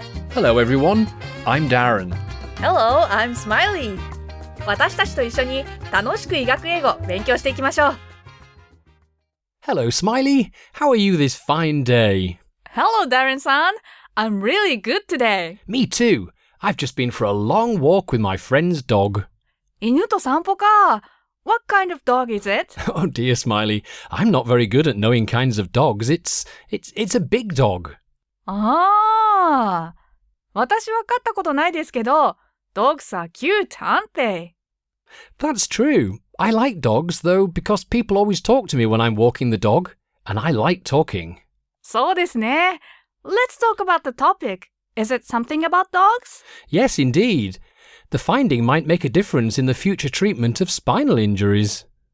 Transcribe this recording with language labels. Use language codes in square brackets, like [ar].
[en] Hello everyone, I'm Darren. Hello, I'm Smiley. [ja] 私たちと一緒に楽しく医学英語勉強していきましょう。 [en] Hello Smiley, how are you this fine day? Hello Darren-san, I'm really good today. Me too. I've just been for a long walk with my friend's dog. [ja] 犬と散歩か。 [en] What kind of dog is it? Oh dear, Smiley. I'm not very good at knowing kinds of dogs. It's a big dog. [ja] ああ。私は飼ったことないですけど、 [en] dogs are cute, aren't they? That's true. I like dogs, though, because people always talk to me when I'm walking the dog, and I like talking. [ja] そうですね。 [en] Let's talk about the topic. Is it something about dogs? Yes, indeed. The finding might make a difference in the future treatment of spinal injuries.